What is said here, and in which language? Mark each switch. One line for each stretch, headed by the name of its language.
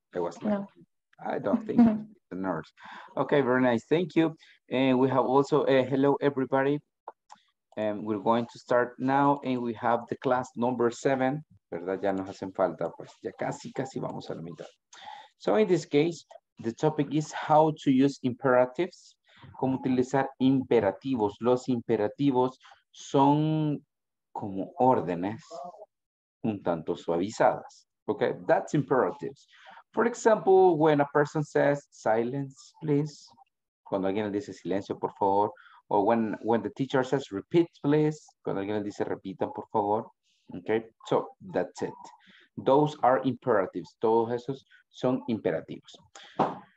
English: It was like, no. I don't think it's a nurse. Okay, very nice. Thank you. And we have also a hello, everybody. And we're going to start now. And we have the class number 7.
Spanish: ¿Verdad? Ya nos hacen falta. Pues ya casi, casi vamos a la mitad.
English: So in this case, the topic is how to use imperatives.
Spanish: ¿Cómo utilizar imperativos? Los imperativos son como órdenes un tanto suavizadas.
English: Okay, that's imperatives. For example, when a person says silence, please.
Spanish: Cuando alguien le dice silencio, por favor.
English: Or when the teacher says repeat, please.
Spanish: Cuando alguien le dice repitan, por favor.
English: Okay, so that's it. Those are imperatives.
Spanish: Todos esos son imperativos.